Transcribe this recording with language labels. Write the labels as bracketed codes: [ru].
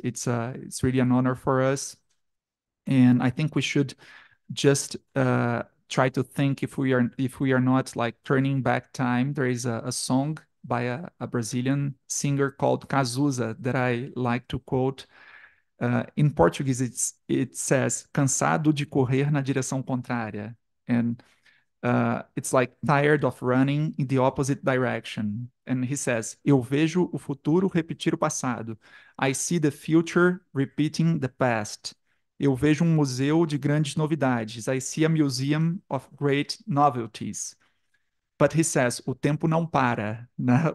[en] It's really an honor for us. And I think we should just try to think if we are not like turning back time. There is a song by a Brazilian singer called Cazuza that I like to quote. In Portuguese, it says, [pt] cansado de correr na direção contrária. [en] And it's like tired of running in the opposite direction. And he says, [pt] eu vejo o futuro repetir o passado. [en] I see the future repeating the past. [pt] Eu vejo um museu de grandes novidades. [en] I see a museum of great novelties. But he says, [pt] o tempo não para. Né?